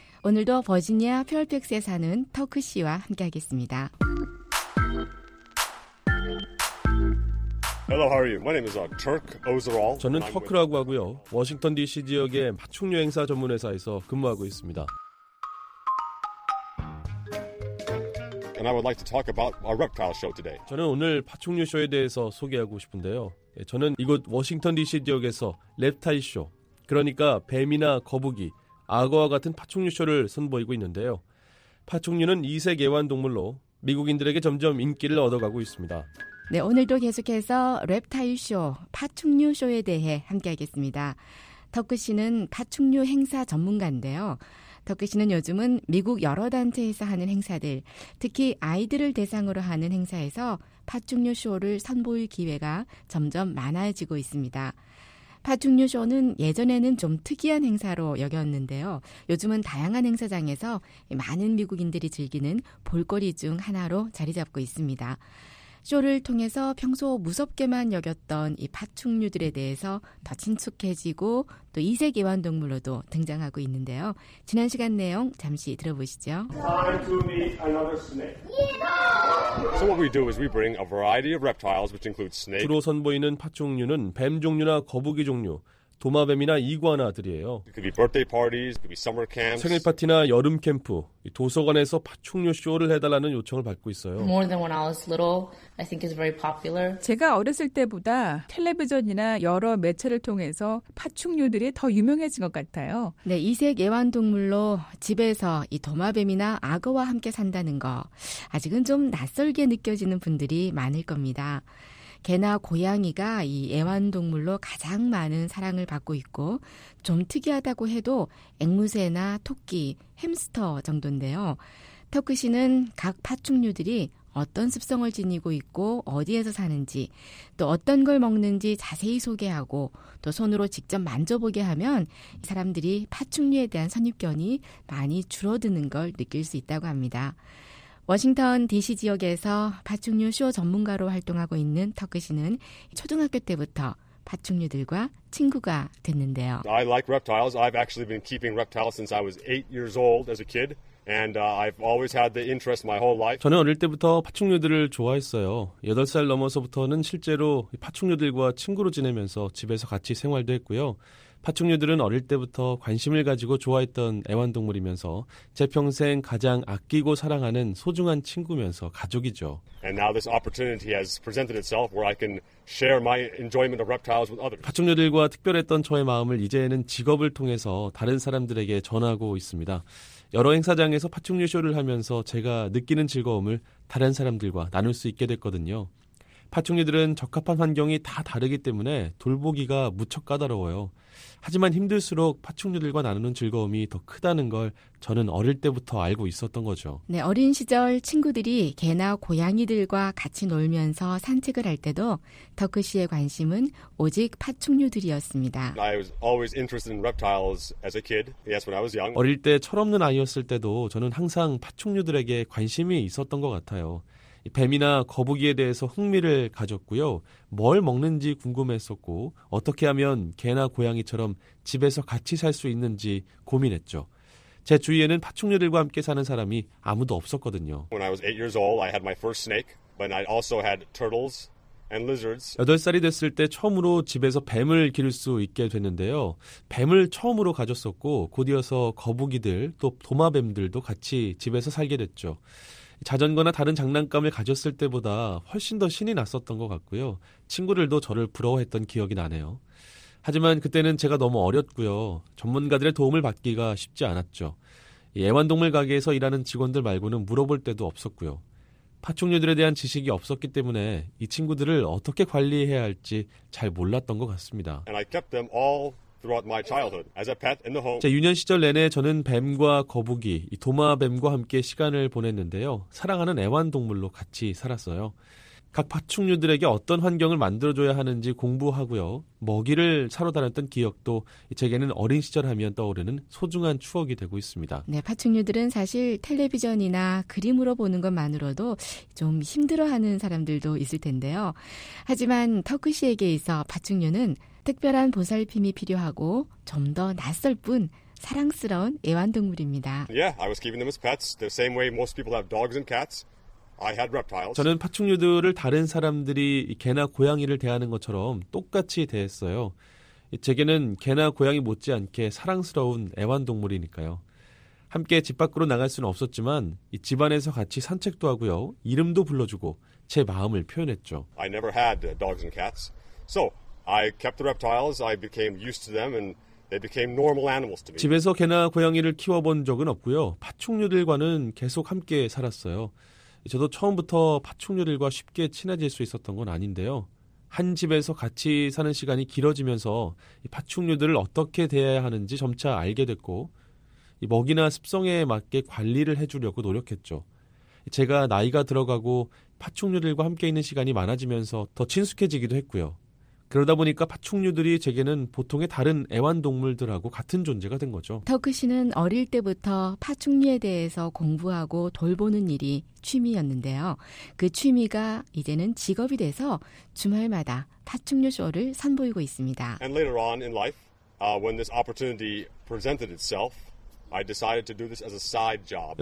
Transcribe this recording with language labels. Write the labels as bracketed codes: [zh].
[ko] 오늘도 버지니아 페어팩스에 사는 터크 씨와 함께하겠습니다. [en] Hello, how are you? My name is Turk Ozeral. [ko] 저는 터크라고 하고요. 워싱턴 DC 지역의 맞춤 여행사 전문 회사에서 근무하고 있습니다. [en] And I would like to talk about our reptile show today. [ko] 저는 오늘 파충류 쇼에 대해서 소개하고 싶은데요. 저는 이곳 워싱턴 DC 지역에서 렙타일 쇼, 그러니까 뱀이나 거북이, 악어와 같은 파충류 쇼를 선보이고 있는데요. 파충류는 이색 애완동물로 미국인들에게 점점 인기를 얻어가고 있습니다. 네, 오늘도 계속해서 렙타일 쇼, 파충류 쇼에 대해 함께하겠습니다. 터크 씨는 파충류 행사 전문가인데요. 터크 씨는 요즘은 미국 여러 단체에서 하는 행사들, 특히 아이들을 대상으로 하는 행사에서 파충류 쇼를 선보일 기회가 점점 많아지고 있습니다. 파충류 쇼는 예전에는 좀 특이한 행사로 여겼는데요. 요즘은 다양한 행사장에서 많은 미국인들이 즐기는 볼거리 중 하나로 자리 잡고 있습니다. 쇼를 통해서 평소 무섭게만 여겼던 이 파충류들에 대해서 더 친숙해지고 또 이색 애완동물로도 등장하고 있는데요. 지난 시간 내용 잠시 들어보시죠. [en] So what we do is we bring a variety of reptiles which include snakes. [ko] 주로 선보이는 파충류는 뱀 종류나 거북이 종류, 도마뱀이나 이구아나들이에요. [en] It could be birthday parties, could be summer camps. [ko] 생일 파티나 여름 캠프, 도서관에서 파충류 쇼를 해달라는 요청을 받고 있어요. [en] More than when I was little, I think is very popular. [ko] 제가 어렸을 때보다 텔레비전이나 여러 매체를 통해서 파충류들이 더 유명해진 것 같아요. 네, 이색 애완동물로 집에서 이 도마뱀이나 악어와 함께 산다는 거 아직은 좀 낯설게 느껴지는 분들이 많을 겁니다. 개나 고양이가 이 애완동물로 가장 많은 사랑을 받고 있고 좀 특이하다고 해도 앵무새나 토끼, 햄스터 정도인데요. 터크 씨는 각 파충류들이 어떤 습성을 지니고 있고 어디에서 사는지 또 어떤 걸 먹는지 자세히 소개하고 또 손으로 직접 만져보게 하면 사람들이 파충류에 대한 선입견이 많이 줄어드는 걸 느낄 수 있다고 합니다. 워싱턴 DC 지역에서 파충류 쇼 전문가로 활동하고 있는 터크 씨는 초등학교 때부터 파충류들과 친구가 됐는데요. [en] I like reptiles. I've actually been keeping reptiles since I was 8 years old as a kid and I've always had the interest my whole life. [ko] 저는 어릴 때부터 파충류들을 좋아했어요. 8살 넘어서부터는 실제로 파충류들과 친구로 지내면서 집에서 같이 생활도 했고요. 파충류들은 어릴 때부터 관심을 가지고 좋아했던 애완동물이면서 제 평생 가장 아끼고 사랑하는 소중한 친구면서 가족이죠. [en] And now this opportunity has presented itself where I can share my enjoyment of reptiles with others. [ko] 파충류들과 특별했던 저의 마음을 이제는 직업을 통해서 다른 사람들에게 전하고 있습니다. 여러 행사장에서 파충류 쇼를 하면서 제가 느끼는 즐거움을 다른 사람들과 나눌 수 있게 됐거든요. 파충류들은 적합한 환경이 다 다르기 때문에 돌보기가 무척 까다로워요. 하지만 힘들수록 파충류들과 나누는 즐거움이 더 크다는 걸 저는 어릴 때부터 알고 있었던 거죠. 네, 어린 시절 친구들이 개나 고양이들과 같이 놀면서 산책을 할 때도 터크 씨의 관심은 오직 파충류들이었습니다. [en] I was always interested in reptiles as a kid. Yes, when I was young. [ko] 어릴 때 철없는 아이였을 때도 저는 항상 파충류들에게 관심이 있었던 것 같아요. 뱀이나 거북이에 대해서 흥미를 가졌고요. 뭘 먹는지 궁금했었고 어떻게 하면 개나 고양이처럼 집에서 같이 살 수 있는지 고민했죠. 제 주위에는 파충류들과 함께 사는 사람이 아무도 없었거든요. [en] When I was 8 years old, I had my first snake, but I also had turtles and lizards. [ko] 8살이 됐을 때 처음으로 집에서 뱀을 기를 수 있게 됐는데요. 뱀을 처음으로 가졌었고 곧이어서 거북이들 또 도마뱀들도 같이 집에서 살게 됐죠. 자전거나 다른 장난감을 가졌을 때보다 훨씬 더 신이 났었던 것 같고요. 친구들도 저를 부러워했던 기억이 나네요. 하지만 그때는 제가 너무 어렸고요. 전문가들의 도움을 받기가 쉽지 않았죠. 애완동물 가게에서 일하는 직원들 말고는 물어볼 데도 없었고요. 파충류들에 대한 지식이 없었기 때문에 이 친구들을 어떻게 관리해야 할지 잘 몰랐던 것 같습니다. [en] And I kept them all throughout my childhood as a pet in the home. [ko] 자, 유년 시절 내내 저는 뱀과 거북이, 이 도마뱀과 함께 시간을 보냈는데요. 사랑하는 애완동물로 같이 살았어요. 각 파충류들에게 어떤 환경을 만들어줘야 하는지 공부하고요. 먹이를 사러 다녔던 기억도 제게는 어린 시절 하면 떠오르는 소중한 추억이 되고 있습니다. 네, 파충류들은 사실 텔레비전이나 그림으로 보는 것만으로도 좀 힘들어하는 사람들도 있을 텐데요. 하지만 터크시에게 있어 파충류는 특별한 보살핌이 필요하고 좀 더 낯설 뿐 사랑스러운 애완동물입니다. [en] Yeah, I was keeping them as pets, the same way most people have dogs and cats. I had reptiles. [ko] 저는 파충류들을 다른 사람들이 개나 고양이를 대하는 것처럼 똑같이 대했어요. 제게는 개나 고양이 못지않게 사랑스러운 애완동물이니까요. 함께 집 밖으로 나갈 수는 없었지만 집 안에서 같이 산책도 하고요. 이름도 불러주고 제 마음을 표현했죠. [en] I never had dogs and cats. So I kept the reptiles. I became used to them and they became normal animals to me. [ko] 집에서 개나 고양이를 키워본 적은 없고요. 파충류들과는 계속 함께 살았어요. 저도 처음부터 파충류들과 쉽게 친해질 수 있었던 건 아닌데요. 한 집에서 같이 사는 시간이 길어지면서 파충류들을 어떻게 대해야 하는지 점차 알게 됐고 먹이나 습성에 맞게 관리를 해주려고 노력했죠. 제가 나이가 들어가고 파충류들과 함께 있는 시간이 많아지면서 더 친숙해지기도 했고요. 그러다 보니까 파충류들이 제게는 보통의 다른 애완동물들하고 같은 존재가 된 거죠. 터크 씨는 어릴 때부터 파충류에 대해서 공부하고 돌보는 일이 취미였는데요. 그 취미가 이제는 직업이 돼서 주말마다 파충류 쇼를 선보이고 있습니다. [en] And later on in life, when this opportunity presented itself, I decided to do this as a side job.